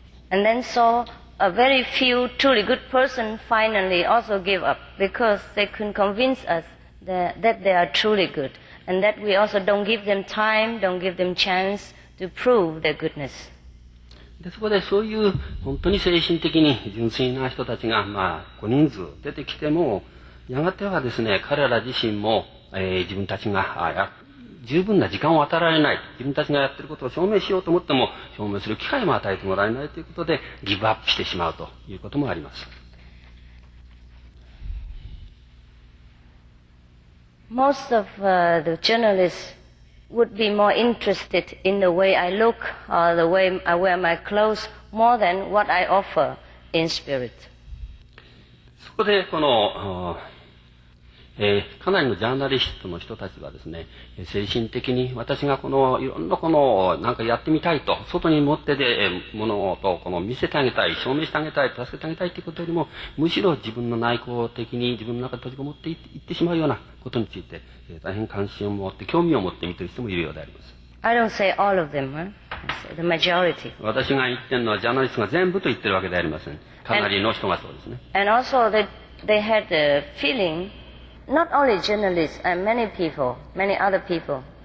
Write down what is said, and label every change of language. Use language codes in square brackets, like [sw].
[en] And then soA very few truly good person finally also give up because they couldn't convince us that they are truly good and that we also don't give them time, don't give them chance to prove their goodness. [ja] で、そこでそういう本当に精神的に純粋な人たちが、まあ、ご人数出てきてもやがてはですね、彼ら自身も、自分たちが十分な時間を与えられない、自分たちがやっていることを証明しようと思っても証明する機会も与えてもらえないということでギブアップしてしまうということもあります。 [en] Most of the journalists would be more interested in the way I look or the way I wear my clothes more than what I offer in spirit。 [ja] そこでこのかなりのジャーナリストの人たちはですね、精神的に私がこのいろんなこのなんかやってみたいと外に持ってで物事をこの見せてあげたい、証明してあげたい、助けてあげたいということよりもむしろ自分の内向的に自分の中で閉じこもっていってしまうようなことについて大変関心を持って興味を持って見ている人もいるようであります。 [en] I don't say all of them, I say the majority. [ja] 私が言っているのはジャーナリストが全部と言っているわけではありません。かなりの人がそうですね。 [en] And also they had the feelingNot only journalists, and many people, many other people.